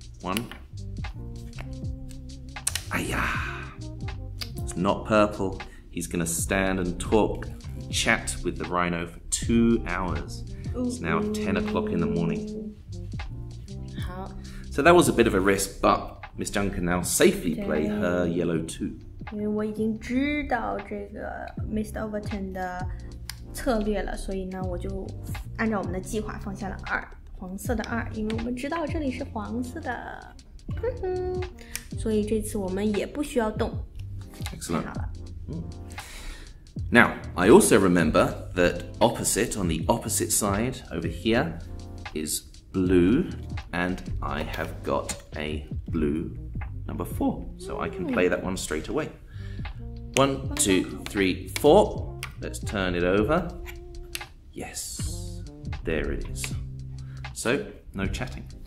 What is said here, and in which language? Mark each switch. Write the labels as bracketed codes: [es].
[en] one aya it's not purple he's gonna stand and talk chat with the rhino for 2 hours it's now 10 o'clock in the morning so that was a bit of a risk but Miss Zhang can now safely play her yellow two [zh] 因为我已经知道这个 Mr. Overton 的策略了所以呢我就按照我们的计划放下了二黄色的二因为我们知道这里是黄色的所以这次我们也不需要动 [en] Excellent [zh] 好了、 [en] Now, I also remember that opposite, on the opposite side over here is blue and I have got a blue number four so I can play that one straight away one two three four let's turn it over yes there it is so no chatting